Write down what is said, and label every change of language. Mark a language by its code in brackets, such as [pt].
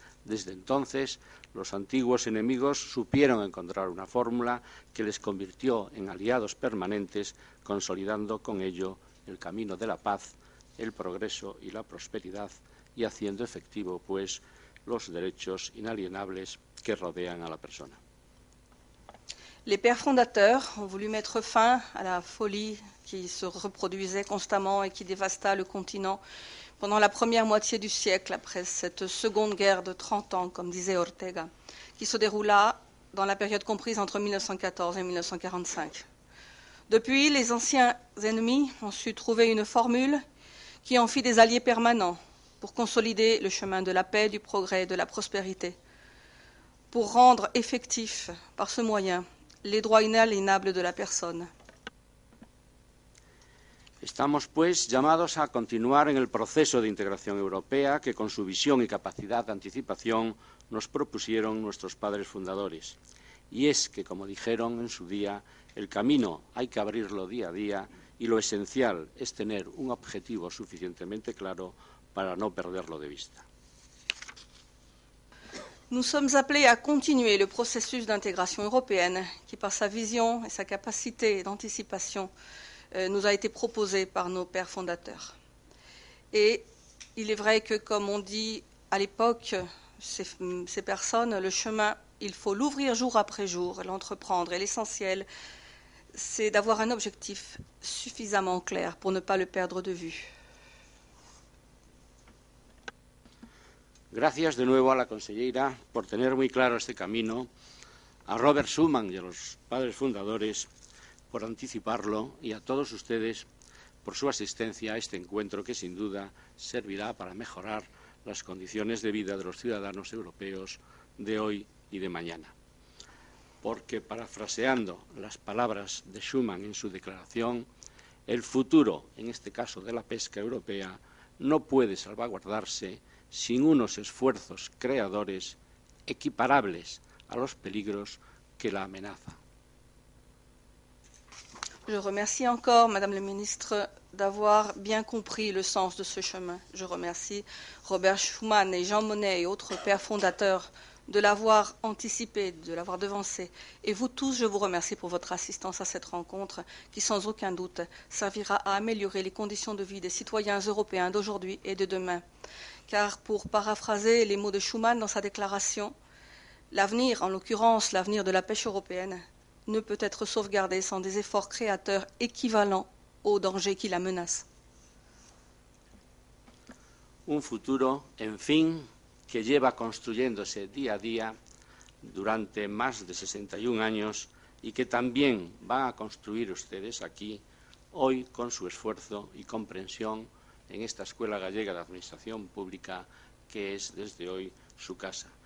[es] Desde entonces, los antiguos enemigos supieron encontrar una fórmula que les convirtió en aliados permanentes, consolidando con ello el camino de la paz, el progreso y la prosperidad, y haciendo efectivo, pues, los derechos inalienables que rodean a la persona. [fr] Les pères fondateurs ont voulu mettre fin à la folie qui se reproduisait constamment et qui dévasta le continent pendant la première moitié du siècle, après cette seconde guerre de 30 ans, comme disait Ortega, qui se déroula dans la période comprise entre 1914 et 1945. Depuis, les anciens ennemis ont su trouver une formule qui en fit des alliés permanents, pour consolider le chemin de la paix, du progrès et de la prospérité, pour rendre effectif, par ce moyen, les droits inaliénables de la personne. [es] Estamos, pues, llamados a continuar en el proceso de integración europea que, con su visión y capacidad de anticipación, nos propusieron nuestros padres fundadores. Y es que, como dijeron en su día, el camino hay que abrirlo día a día y lo esencial es tener un objetivo suficientemente claro para no perderlo de vista. [fr] Nous sommes appelés à continuer le processus d'intégration européenne qui, par sa vision et sa capacité d'anticipation, nous a été proposé par nos pères fondateurs. Et il est vrai que, comme on dit à l'époque, ces personnes, le chemin, il faut l'ouvrir jour après jour, l'entreprendre. Et l'essentiel, c'est d'avoir un objectif suffisamment clair pour ne pas le perdre de vue. [es] Gracias de nuevo a la consellera por tener muy claro este camino, a Robert Schumann y a los padres fundadores por anticiparlo y a todos ustedes por su asistencia a este encuentro que sin duda servirá para mejorar las condiciones de vida de los ciudadanos europeos de hoy y de mañana. Porque, parafraseando las palabras de Schumann en su declaración, el futuro, en este caso de la pesca europea, no puede salvaguardarse sin unos esfuerzos creadores equiparables a los peligros que la amenazan. [fr] Je remercie encore, Madame la Ministre, d'avoir bien compris le sens de ce chemin. Je remercie Robert Schuman et Jean Monnet et autres pères fondateurs de l'avoir anticipé, de l'avoir devancé. Et vous tous, je vous remercie pour votre assistance à cette rencontre qui, sans aucun doute, servira à améliorer les conditions de vie des citoyens européens d'aujourd'hui et de demain. Car, pour paraphraser les mots de Schuman dans sa déclaration, l'avenir, en l'occurrence l'avenir de la pêche européenne, ne peut être sauvegardé sans des efforts créateurs équivalents aux dangers qui la menacent. [es] Un futuro, en fin, que lleva construyéndose día a día durante más de 61 años y que también van a construir ustedes aquí hoy con su esfuerzo y comprensión en esta Escuela Gallega de Administración Pública, que es desde hoy su casa.